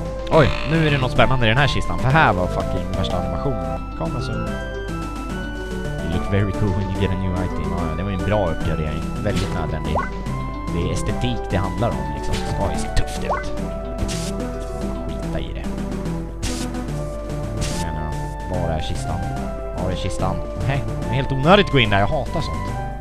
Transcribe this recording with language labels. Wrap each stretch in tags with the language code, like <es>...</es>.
<sv>Oj, nu är det något spännande i den här kistan. För här var fucking värsta animationen. Kom alltså.</sv> <en>You look very cool when you get a new item.</en> <sv>Ja, det var ju en bra uppgradering. Väldigt nödvändig. Det är estetik det handlar om. Liksom. Det ska ju se tufft ut. Skita i det. Jag menar, var är kistan? Var är kistan? Nej, det är helt onödigt att gå in där. Jag hatar sånt.</sv>